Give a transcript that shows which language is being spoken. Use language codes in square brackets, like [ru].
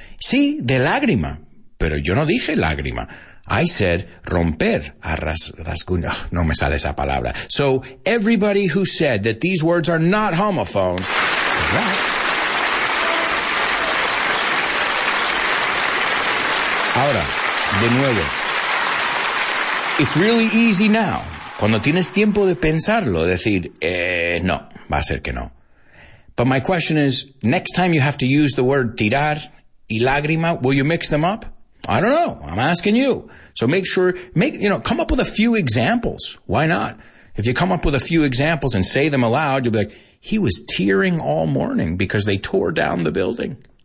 [es] Sí, de lágrima, pero yo no dije lágrima. [en] I said [es] romper, rasguño. No me sale esa palabra. [en] So everybody who said that these words are not homophones, congrats. [es] Ahora, de nuevo. [en] It's really easy now. [es] Cuando tienes tiempo de pensarlo, decir, no, va a ser que no. [en] But my question is, next time you have to use the word tirar y lágrima, will you mix them up? I don't know. I'm asking you. So make sure, come up with a few examples. Why not? If you come up with a few examples and say them aloud, you'll be like, he was tearing all morning because they tore down the building.